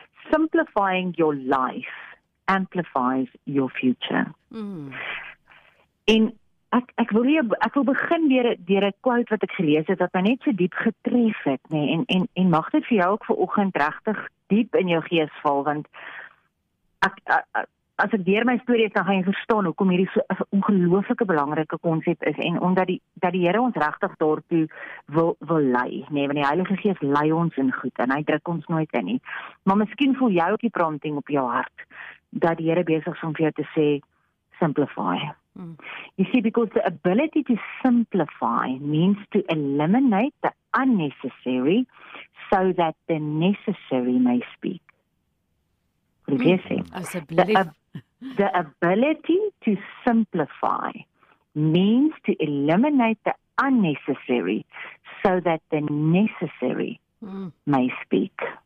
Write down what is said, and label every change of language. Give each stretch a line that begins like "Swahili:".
English: Simplifying your life amplifies your future.
Afrikaans: Ek wil begin deur 'n quote wat ek gelees het wat my net so diep getref het, nê, en mag dit vir jou ook vanoggend regtig diep in jou gees val, want ek as ek deur my storie gaan verstaan hoekom hierdie so 'n ongelooflike belangrike konsep is en omdat dat die Here ons regtig daartoe wil lei, nê, want die Heilige Gees lei ons in goed en hy druk ons nooit in nie. Maar miskien voel jy ook die prompting op jou hart dat die Here besig is om vir jou te sê simplify.
English: You see, because the ability to simplify means to eliminate the unnecessary so that the necessary may speak. What do you say? The ability to simplify means to eliminate the unnecessary so that the necessary may speak.